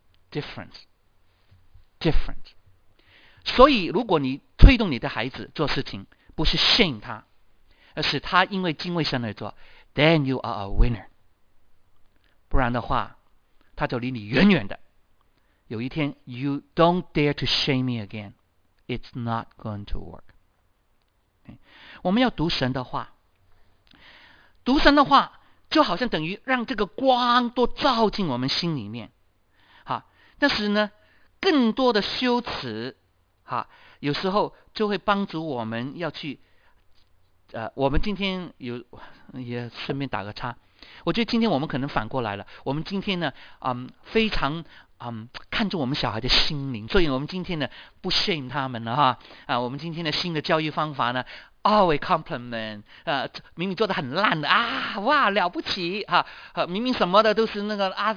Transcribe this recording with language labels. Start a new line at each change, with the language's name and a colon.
English: Different。
Chinese: 所以如果你推动你的孩子做事情，不是 shame 他，而是他因为敬畏神而做，
English: Then you are a winner。
Chinese: 不然的话他就离你远远的。有一天
English: You don't dare to shame me again, it's not going to work。
Chinese: 我们要读神的话，读神的话就好像等于让这个光都照进我们心里面。好，但是呢更多的羞耻有时候就会帮助我们要去我们今天有也顺便打个叉，我觉得今天我们可能反过来了，我们今天呢非常看着我们小孩的心灵，所以我们今天呢不 shame 他们了我们今天的新的教育方法呢
English: always compliment
Chinese: 明明做得很烂的哇了不起明明什么的都是那个